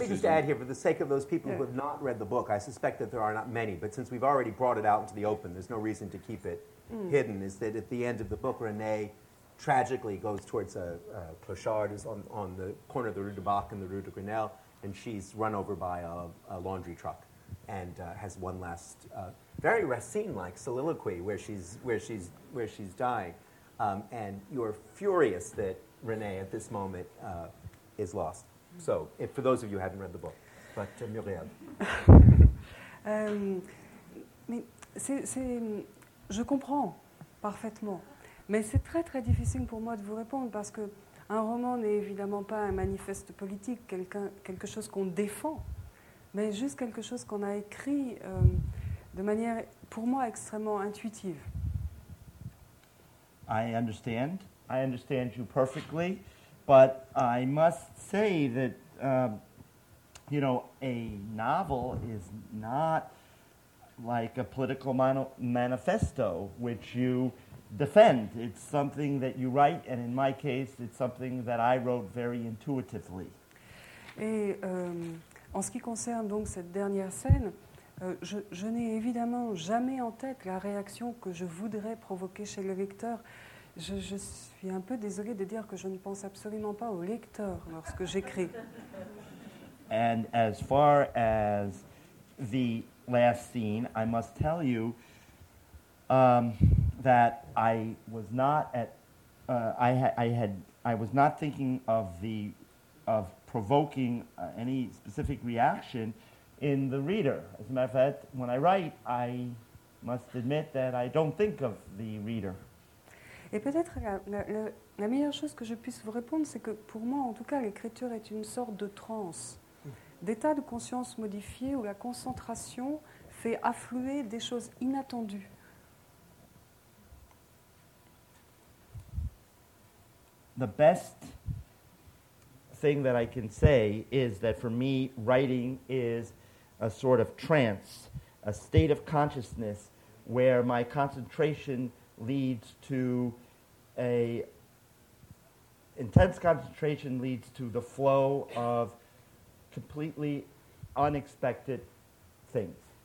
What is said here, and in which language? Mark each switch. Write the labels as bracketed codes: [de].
[en] Let me just add here, for the sake of those people who have not read the book, I suspect that there are not many, but since we've already brought it out into the open, there's no reason to keep it hidden, is that at the end of the book, Renee tragically goes towards a clochard who's on the corner of the Rue de Bac and the Rue de Grenelle, and she's run over by a laundry truck and has one last very Racine-like soliloquy where she's dying. And you're furious that Renee at this moment is lost. So, if, for those of you who haven't read the book, but Muriel. [fr] Je comprends parfaitement, mais c'est très très difficile pour moi de vous répondre parce que un roman n'est évidemment pas un manifeste politique, quelque chose qu'on défend, mais juste quelque chose qu'on a écrit de manière, pour moi, extrêmement intuitive. [en] I understand you perfectly. But I must say that, you know, a novel is not like a political manifesto, which you defend. It's something that you write, and in my case, it's something that I wrote very intuitively. [fr] Et en ce qui concerne donc cette dernière scène, je n'ai évidemment jamais en tête la réaction que je voudrais provoquer chez le lecteur. Je suis un peu désolée de dire que je ne pense absolument pas au lecteur lorsque j'écris. [en] And as far as the last scene, I must tell you that I was not at I was not thinking of provoking any specific reaction in the reader. As a matter of fact, when I write, I must admit that I don't think of the reader. [fr] Et peut-être la meilleure chose que je puisse vous répondre, c'est que pour moi, en tout cas, l'écriture est une sorte de transe, d'état de conscience modifié où la concentration fait affluer des choses inattendues. [en] The best thing that I can say is that for me, writing is a sort of trance, a state of consciousness where my concentration leads to a intense concentration leads to the flow of completely unexpected things.